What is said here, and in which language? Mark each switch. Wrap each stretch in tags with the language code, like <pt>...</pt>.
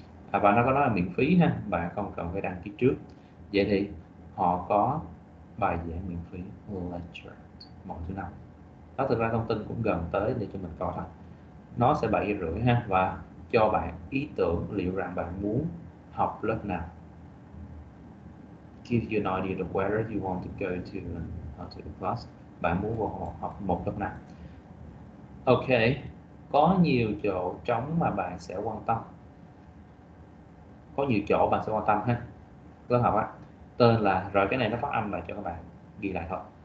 <vi>À, và nó có nói là miễn phí ha, bạn không cần phải đăng ký trước. Vậy thì họ có bài giảng miễn phí lecture mỗi thứ năm. Đó thực ra thông tin cũng gần tới để cho mình coi thôi. Nó sẽ 7:30 ha, và cho bạn ý tưởng liệu rằng bạn muốn học lớp nào.</vi> <en>Give you an idea of where you want to go to the class.</en> <vi>Bạn muốn vào học một lớp nào? Ok, có nhiều chỗ trống mà bạn sẽ quan tâm. Có nhiều chỗ bạn sẽ quan tâm ha. Lớp học á, tên là, rồi cái này nó phát âm lại cho các bạn ghi lại thôi.</vi>